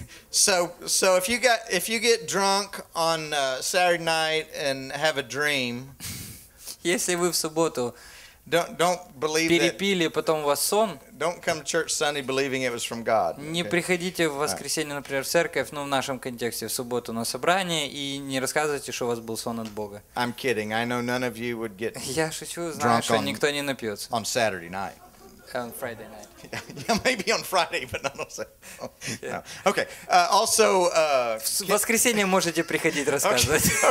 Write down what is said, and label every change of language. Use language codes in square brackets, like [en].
[en] So if you get drunk on Saturday night and have a dream. [ru] Если вы в субботу. [en] Don't believe [ru] перепили, [en] that. [ru] Потом у вас сон. [en] Don't come to church Sunday believing it was from God. Okay? [ru] Не приходите в воскресенье, например, в церковь, ну, в нашем контексте, в субботу на собрание, и не рассказывайте, что у вас был сон от Бога. [en] I'm kidding. I know none of you would get [ru] я шучу, знаю, что никто не напьется. [en] On Saturday night. On Friday night. Yeah, maybe on Friday, but not on Saturday. Oh, no. Okay. Also, [ru] в воскресенье можете приходить рассказывать.